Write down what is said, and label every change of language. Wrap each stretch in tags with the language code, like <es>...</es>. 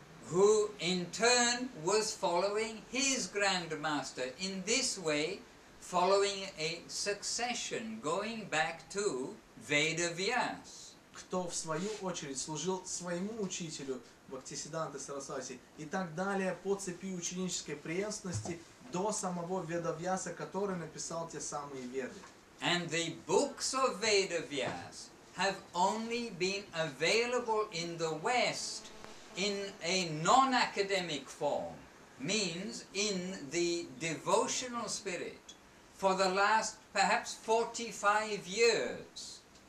<en>Who, in turn, was following his grand master in this way, following a succession, going back to Veda Vyas.</en> <ru>Кто в свою очередь служил своему учителю Бхактисиддханте Сарасвати и так далее по цепи ученической преемственности до самого Веда Вьяса, который написал те самые Веды.</ru> <en>And the books of Veda Vyas have only been available in the West in a non-academic form, means in the devotional spirit. For the last perhaps 45 years.</en>